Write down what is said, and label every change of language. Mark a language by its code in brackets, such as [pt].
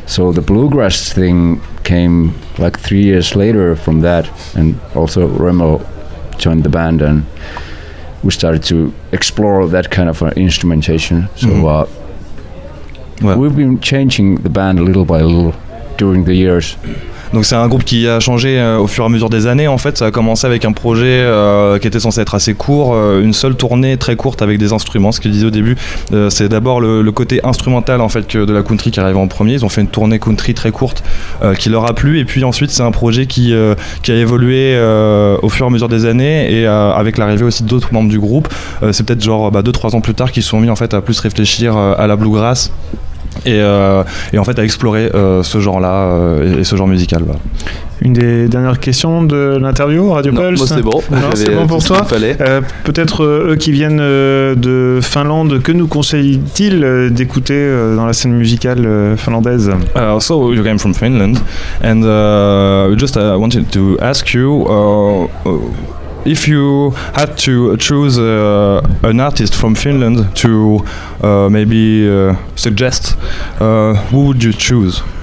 [en] So the bluegrass thing came like 3 years later from that, and also Remo joined the band and we started to explore that kind of instrumentation. So we've been changing the band little by little during the years. [fr] Donc c'est un groupe qui a changé au fur et à mesure des années. En fait, ça a commencé avec un projet qui était censé être assez court, une seule tournée très courte avec des instruments. Ce qu'ils disaient au début, c'est d'abord le côté instrumental en fait de la country qui arrivait en premier. Ils ont fait une tournée country très courte qui leur a plu, et puis ensuite c'est un projet qui a évolué au fur et à mesure des années, et avec l'arrivée aussi d'autres membres du groupe, c'est peut-être genre 2-3 ans plus tard qu'ils se sont mis en fait à plus réfléchir à la bluegrass. Et en fait à explorer ce genre-là et ce genre musical. Bah. Une des dernières questions de l'interview, Radio non, Pulse. Moi c'est bon. Non, c'est bon pour toi. Peut-être eux qui viennent de Finlande, que nous conseillent-ils d'écouter dans la scène musicale finlandaise? [en] So you came from Finland and just wanted to ask you if you had to choose an artist from Finland to maybe suggest, who would you choose?